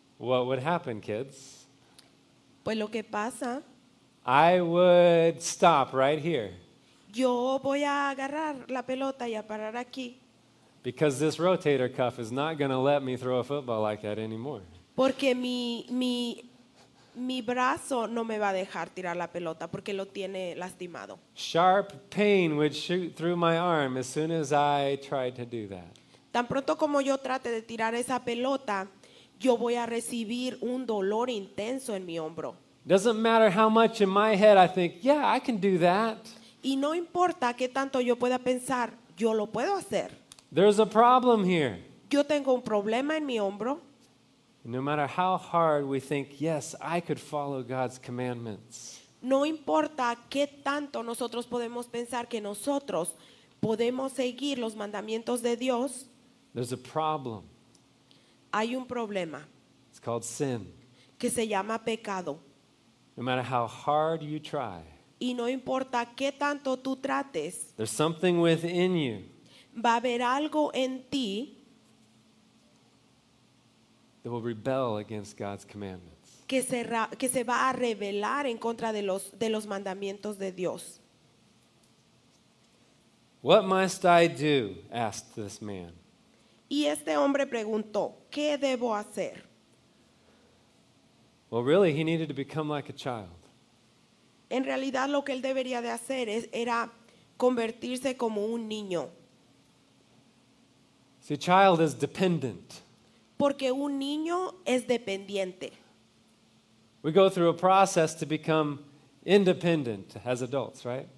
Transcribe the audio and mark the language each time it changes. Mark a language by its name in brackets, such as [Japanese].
[English] What would happen, kids? [Spanish] Pues lo que pasa. [English] I would stop right here. [Spanish] Yo voy a agarrar la pelota y a parar aquí. [English] Because this rotator cuff is not going to let me throw a football like that anymore. [Spanish] Porque mi brazo no me va a dejar tirar la pelota porque lo tiene lastimado. [English] Sharp pain would shoot through my arm as soon as I tried to do that. [Spanish] Tan pronto como yo trate de tirar esa pelota, yo voy a recibir un dolor intenso en mi hombro. [English] Doesn't matter how much in my head I think, yeah, I can do that. [Spanish] Y no importa qué tanto yo pueda pensar, yo lo puedo hacer. [English] There's a problem here. [Spanish] Yo tengo un problema en mi hombro. [English] No matter how hard we think, yes, I could follow God's commandments. [Spanish] No importa qué tanto nosotros podemos pensar que nosotros podemos seguir los mandamientos de Dios. [English] There's a problem. [Spanish] Hay un problema. [English] It's called sin. [Spanish] Que se llama pecado. [English] No matter how hard you try. [Spanish] Y no importa qué tanto tú trates. [English] There's something within you. [Spanish] Va a haber algo en ti. [English] That will rebel against God's commandments. [Spanish] Que se va a rebelar en contra de los mandamientos de Dios. [English] What must I do? Asked this man. [Spanish] Y este hombre preguntó, ¿qué debo hacer? [English] Well, really, he needed to become like a child. [Spanish] En realidad, lo que él debería de hacer era convertirse como un niño. [English] See, a child is dependent. [Spanish] Porque un niño es dependiente. [English] We go through a process to become independent as adults, right?